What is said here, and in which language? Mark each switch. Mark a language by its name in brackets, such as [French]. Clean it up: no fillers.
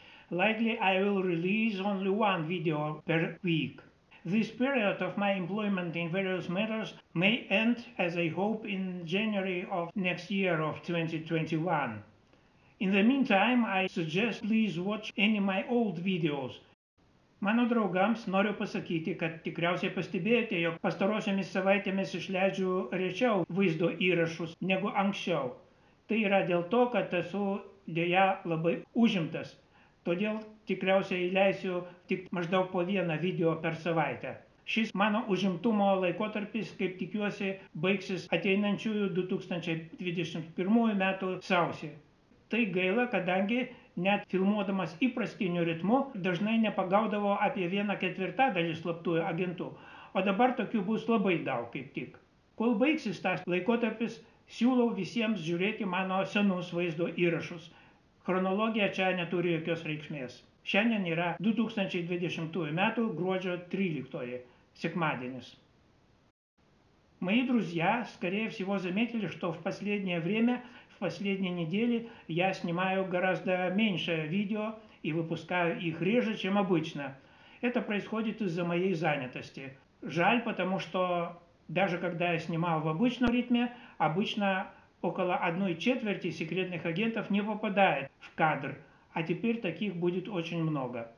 [English] Likely I will release only one video per week. This period of my employment in various matters may end, as I hope, in January of next year of 2021. In the meantime, I suggest please watch any my old videos. [Lithuanian] Mano draugams noriu pasakyti, kad tikriausiai pastebėjote, jog pastarosiomis savaitėmis išleidžiu rečiau vaizdo įrašus negu anksčiau. Tai yra dėl to, kad esu dėja labai užimtas. Todėl tikriausiai leisiu tik maždaug po vieną video per savaitę. Šis mano užimtumo laikotarpis, kaip tikiuosi, baigsis ateinančiųjų 2021 metų sausį. Tai gaila, kadangi net filmuodamas įprastiniu ritmu dažnai nepagaudavo apie 1/4 slaptųjų agentų, o dabar tokių bus labai daug kaip tik. Kol baigsis tas laikotarpis, siūlau visiems žiūrėti mano senus vaizdo įrašus. Chronologija čia neturi jokios reikšmės. Šiandien yra 2020 metų gruodžio 13-oji, sekmadienis. [Russian] Мои друзья, скорее всего, заметили, что в последнее время, в последние недели, я снимаю гораздо меньше видео и выпускаю их реже, чем обычно. Это происходит из-за моей занятости. Жаль, потому что даже когда я снимал в обычном ритме, обычно около 1/4 секретных агентов не попадает в кадр, а теперь таких будет очень много.